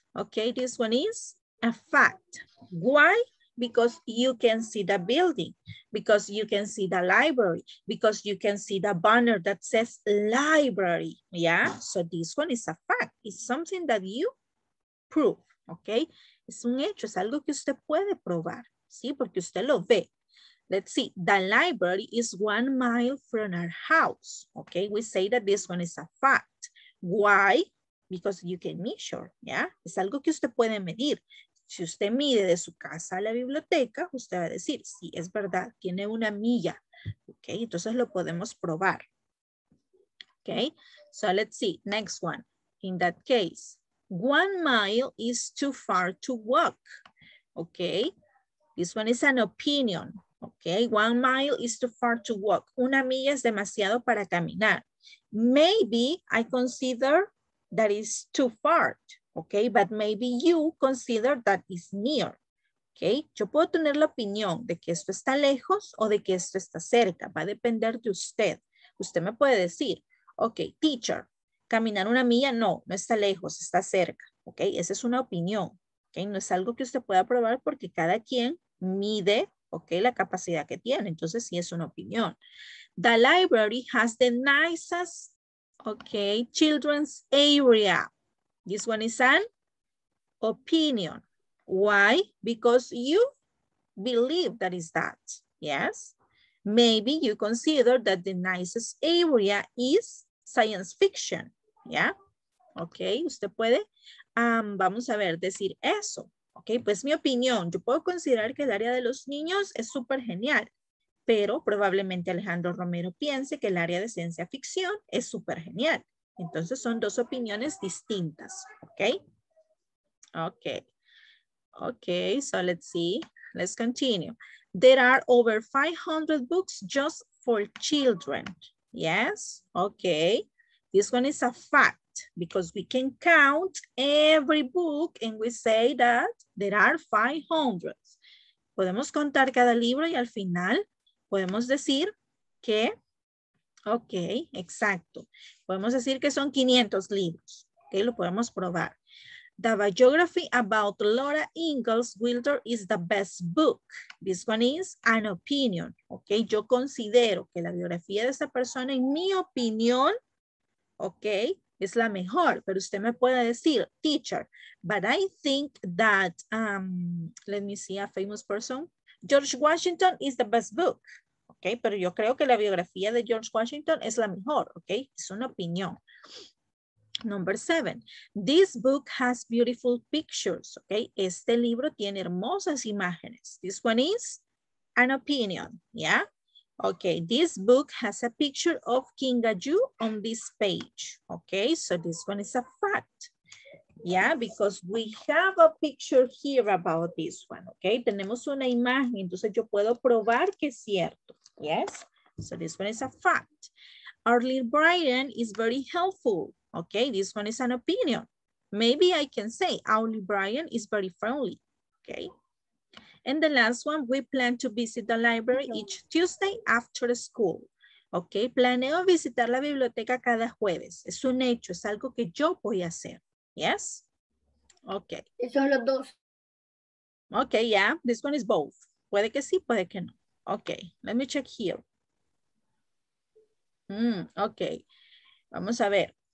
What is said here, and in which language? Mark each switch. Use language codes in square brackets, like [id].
[en] Okay, this one is a fact. Why? Because you can see the building, because you can see the library, because you can see the banner that says library, yeah? So this one is a fact, it's something that you prove, okay? [es] Es un hecho, es algo que usted puede probar, ¿sí? Porque usted lo ve. [en] Let's see, the library is 1 mile from our house, okay? We say that this one is a fact. Why? Because you can measure, yeah? [es] Es algo que usted puede medir. Si usted mide de su casa a la biblioteca, usted va a decir, sí, es verdad, tiene una milla. Ok, entonces lo podemos probar. Ok, [en] so let's see, next one. In that case, 1 mile is too far to walk. Ok, this one is an opinion. Ok, 1 mile is too far to walk. [es] Una milla es demasiado para caminar. [en] Maybe I consider that it's too far. Okay, but maybe you consider that is near. [es] Okay, yo puedo tener la opinión de que esto está lejos o de que esto está cerca. Va a depender de usted. Usted me puede decir, okay, teacher, caminar una milla, no, no está lejos, está cerca. Okay, esa es una opinión. Okay, no es algo que usted pueda probar porque cada quien mide, okay, la capacidad que tiene. Entonces sí es una opinión. [en] The library has the nicest Okay, children's area. This one is an opinion. Why? Because you believe that is that. Yes. Maybe you consider that the nicest area is science fiction. [es] Yeah. Okay, usted puede. Vamos a ver, decir eso. Ok, pues mi opinión, yo puedo considerar que el área de los niños es súper genial, pero probablemente Alejandro Romero piense que el área de ciencia ficción es súper genial. Entonces son dos opiniones distintas, ok. Ok, ok, [en] so let's see, let's continue. There are over 500 books just for children. Yes, ok. This one is a fact. Because we can count every book and we say that there are 500. [es] Podemos contar cada libro y al final podemos decir que, ok, exacto. Podemos decir que son 500 libros. Ok, lo podemos probar. [en] The biography about Laura Ingalls Wilder is the best book. [es] This one is an opinion. Ok, yo considero que la biografía de esta persona, en mi opinión, ok, es la mejor, pero usted me puede decir, teacher, [en] but I think that, let me see a famous person, George Washington is the best book, [es] ok, pero yo creo que la biografía de George Washington es la mejor, ok, es una opinión. [en] Number 7, this book has beautiful pictures, ok, [es] este libro tiene hermosas imágenes, [en] this one is an opinion, yeah, okay, this book has a picture of King Gaju on this page. Okay, so this one is a fact. Yeah, because we have a picture here about this one. Okay, tenemos una imagen, entonces yo puedo probar que es cierto. Yes, so this one is a fact. Arlene Bryden is very helpful. Okay, this one is an opinion. Maybe I can say Arlene Bryden is very friendly. Okay. And the last one, we plan to visit the library each Tuesday after school. [es] Ok, planeo visitar la biblioteca cada jueves. Es un hecho, es algo que yo voy a hacer. [en] Yes? Ok. [es] Y son los dos. [en] Ok, yeah, this one is both. [es] Puede que sí, puede que no. [en] Ok, let me check here. [es] Ok, vamos a ver.